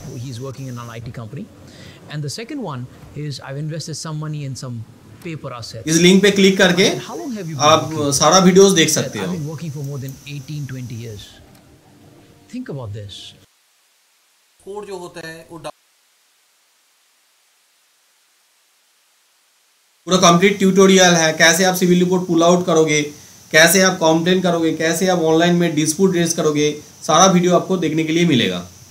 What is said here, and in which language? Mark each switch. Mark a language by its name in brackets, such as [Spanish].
[English] He is working in an IT company. And the second one is I've invested some money in some paper assets. [Hindi] इस link पे click करके आप सारा videos देख सकते हो। [English] I've been working for more than 18-20 years. Think about this. [Hindi] Code जो होता है वो पूरा कंप्लीट ट्यूटोरियल है, कैसे आप सिविल रिपोर्ट पुल आउट करोगे, कैसे आप कंप्लेन करोगे, कैसे आप ऑनलाइन में डिस्प्यूट रेज करोगे, सारा वीडियो आपको देखने के लिए मिलेगा।